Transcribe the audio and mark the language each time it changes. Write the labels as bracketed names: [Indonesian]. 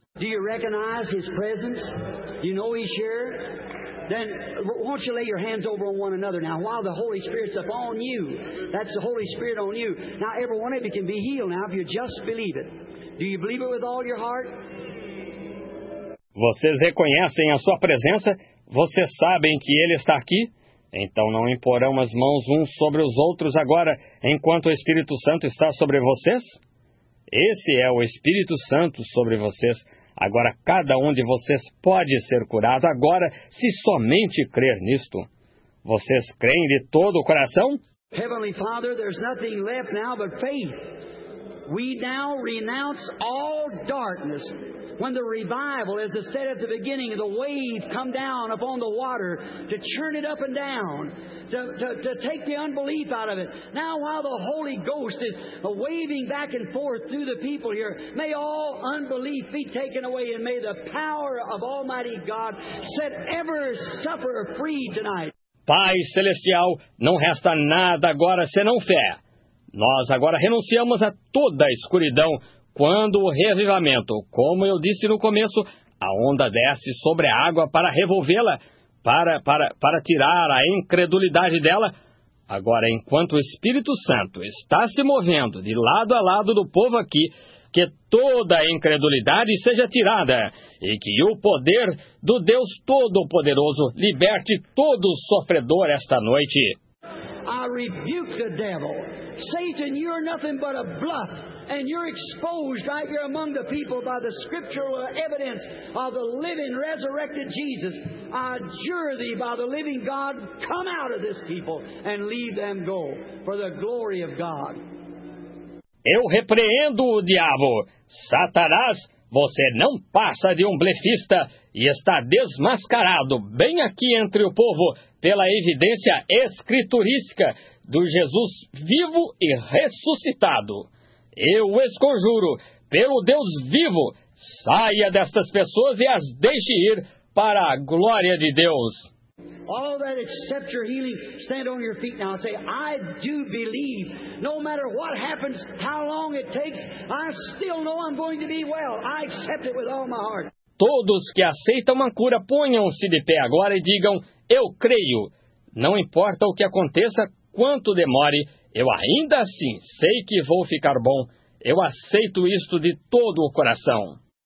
[English] Do you recognize his presence? Do you know he's here? Then, won't you lay your hands over on one another now, while the Holy Spirit's upon you. That's the Holy Spirit on you. Now, every one of you can be healed now, if you just believe it. Do you believe it with all your heart? [Portuguese] Vocês reconhecem a sua presença? Vocês sabem que ele está aqui? Então não imporão as mãos uns sobre os outros agora, enquanto o Espírito Santo está sobre vocês? Esse é o Espírito Santo sobre vocês. Agora cada um de vocês pode ser curado agora, se somente crer nisto. Vocês creem de todo o coração? [English] Heavenly Father, there's nothing left now but faith. We now renounce all darkness. When the revival is said at the beginning, the wave come down upon the water to churn it up and down, to take the unbelief out of it. Now while the Holy Ghost is waving back and forth through the people here, may all unbelief be taken away and may the power of Almighty God set every sufferer free tonight. [Portuguese] Pai Celestial, não resta nada agora senão fé. Nós agora renunciamos a toda a escuridão. Quando o reavivamento, como eu disse no começo, a onda desce sobre a água para revolvê-la, para tirar a incredulidade dela. Agora, enquanto o Espírito Santo está se movendo de lado a lado do povo aqui, que toda a incredulidade seja tirada e que o poder do Deus Todo-Poderoso liberte todo sofredor esta noite. [English] I rebuke the devil. Satan, you're nothing but a bluff, and you're exposed right here among the people by the scriptural evidence of the living, resurrected Jesus. I adjure thee by the living God, come out of this people and leave them go for the glory of God. [Portuguese] Eu repreendo o diabo. Satanás, você não passa de um blefista e está desmascarado bem aqui entre o povo pela evidência escriturística do Jesus vivo e ressuscitado. Eu o esconjuro, pelo Deus vivo, saia destas pessoas e as deixe ir para a glória de Deus. [English] All that accept your healing, stand on your feet now and say, I do believe, no matter what happens, how long it takes, I still know I'm going to be well. I accept it with all my heart. [Portuguese] Todos que aceitam uma cura, ponham-se de pé agora e digam, eu creio. Não importa o que aconteça, quanto demore, eu ainda assim sei que vou ficar bom. Eu aceito isto de todo o coração.